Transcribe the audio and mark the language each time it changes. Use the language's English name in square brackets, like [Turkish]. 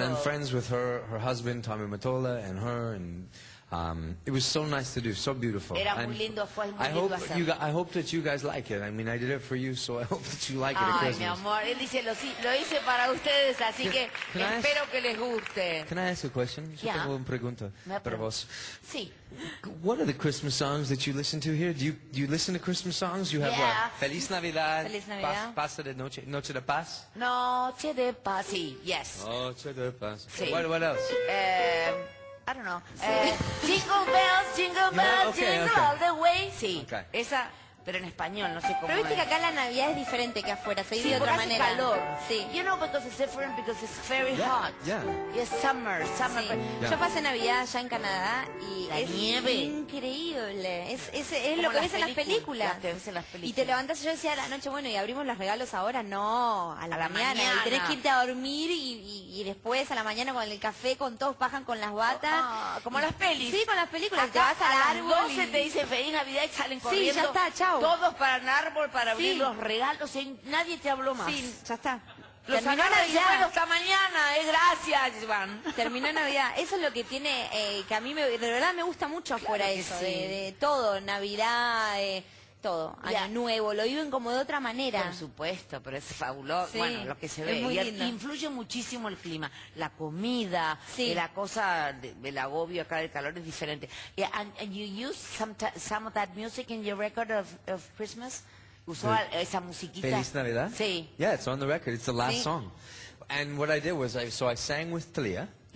[English] And I'm friends with her, her husband, Tommy Mottola, and her, and... it was so nice to do, so beautiful. [Spanish] Era muy lindo, fue muy lindo hacerlo. [English] I hope that you guys like it. I mean, I did it for you, so I hope that you like it. [Spanish] Ay, mi amor, él dice, lo hice para ustedes, así que espero que les guste. [English] Can I ask a question? Yeah. [Spanish] Yo tengo una pregunta para vos. Sí. [English] What are the Christmas songs that you listen to here? Do you listen to Christmas songs? You have what? [Spanish] Feliz Navidad. Pasa de noche. Noche de paz. Noche de paz, sí, [English] yes. [Spanish] Noche de paz. Sí. [English] What else? I don't know. Jingle bells, all the way. [Spanish] Sí. [English] Okay. [Spanish] Esa, pero en español, no sé cómo. Pero viste que acá la Navidad es diferente que afuera, se vive de otra manera. Hace calor. Sí. [English] You know, because it's different, because it's very hot. Yeah. It's summer, summer. [Spanish] Sí. [English] Yeah. [Spanish] Yo pasé Navidad allá en Canadá y la es nieve. Increíble. Es lo que ves en las películas. Y te levantas, yo decía a la noche, bueno, y abrimos los regalos ahora, no, a la mañana. Y tenés que irte a dormir y después a la mañana con el café, con todos bajan con las batas. Como las pelis. Sí, con las películas. Acá, te vas al árbol. A las 12 te dicen feliz Navidad y salen corriendo. Sí, ya está, chao. Todos para el árbol para abrir los regalos. Nadie te habló más. Sí, ya está. Los terminó Navidad. Bueno, hasta mañana. Gracias, Iván. Terminó Navidad. Eso es lo que tiene, que a mí de verdad me gusta mucho afuera claro eso. De todo, Navidad, todo. Año nuevo, lo viven como de otra manera. Por supuesto, pero es fabuloso. Sí, bueno, lo que se ve. Y influye muchísimo el clima. La comida, la cosa, el agobio acá del calor es diferente. [English] And you use some of that music in your record of Christmas? [Spanish] ¿Usó esa musiquita? ¿Feliz Navidad? Sí. [English] Yeah, it's on the record. It's the last song. And what I did was, so I sang with Thalia.